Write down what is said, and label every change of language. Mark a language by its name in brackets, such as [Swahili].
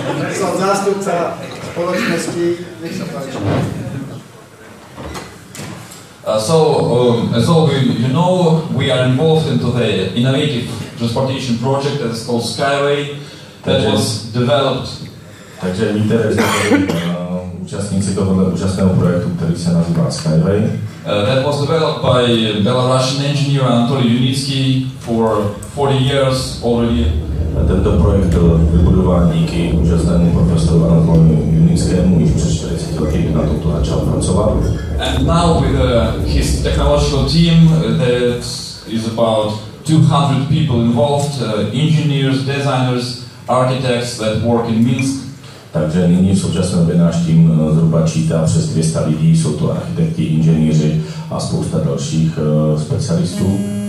[Slovak] Som zástupca spoločnosti. Nech sa páči. [English] As all you know, we are involved into the innovative transportation project that is called Skyway, that was developed. [Czech] Takže víte, že jsme účastníci tohoto úžasného projektu, který se nazývá Skyway. [English] That was developed by Belarusian engineer Anatoly Yunitsky for 40 years already. [Czech] Tento projekt byl vybudován díky úžasnému profesoru Anatoliu Yunitskému, už přes 40 let na tomto začal pracovat. [English] And now with his technological team, that is about 200 people involved, engineers, designers, architects that work in Minsk. [Czech] Takže nyní v současné době náš tým zhruba čítá přes 200 lidí, jsou to architekti, inženýři a spousta dalších specialistů.